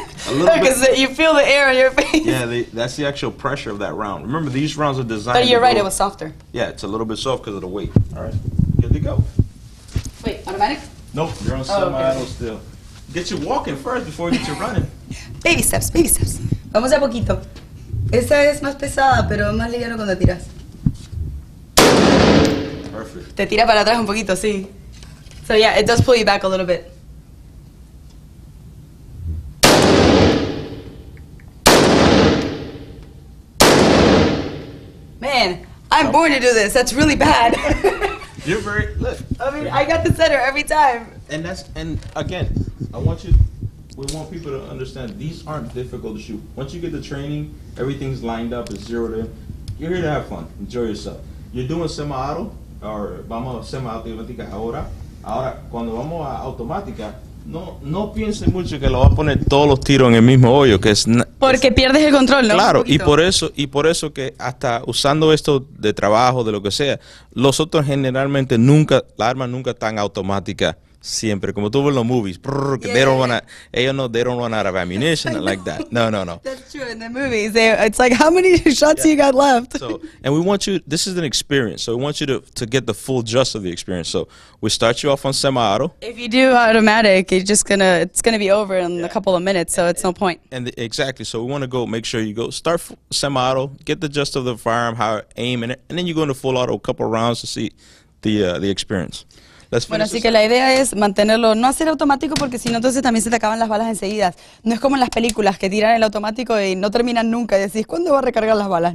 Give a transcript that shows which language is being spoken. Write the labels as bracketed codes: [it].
[en] Because you feel the air on your face. Yeah, that's the actual pressure of that round. Remember, these rounds are designed. But you're right, it was softer. Yeah, it's a little bit soft because of the weight. All right, good to go. Wait, automatic? Nope, you're on semi-auto still. Get you walking first before you get you running. Baby steps. [es] Vamos a poquito. Esta es más pesada, pero más liviana cuando tiras. [en] Perfect. [es] Te tira para atrás un poquito, sí. [en] So yeah, it does pull you back a little bit. Man, I'm born to do this. That's really bad. You're very, look. I mean, I got the center every time. And again, we want people to understand these aren't difficult to shoot. Once you get the training, everything's lined up, it's zeroed in. You're here to have fun, enjoy yourself. You're doing semi-auto, or [es] vamos a semi-automática ahora. Ahora, cuando vamos a automática, no piense mucho que lo va a poner todos los tiros en el mismo hoyo, que es. Porque pierdes el control, ¿no? Claro, y por eso que hasta usando esto de trabajo, de lo que sea, los otros generalmente nunca, la arma nunca tan automática siempre, como tú ves en los movies. [en] They don't run out of ammunition like that. No. That's true, in the movies, it's like, how many shots you got left? This is an experience, so we want you to get the full gist of the experience. So we start you off on semi-auto. If you do automatic, it's gonna be over in a couple of minutes, so it's no point. Exactly, so we want to go make sure you go start semi-auto, get the gist of the firearm, how it aim in it, and then you go into full auto a couple of rounds to see the experience. [es] Bueno, así que la idea es mantenerlo, no hacer automático porque si no, entonces también se te acaban las balas enseguida. No es como en las películas que tiran el automático y no terminan nunca. Y decís, ¿cuándo va a recargar las balas?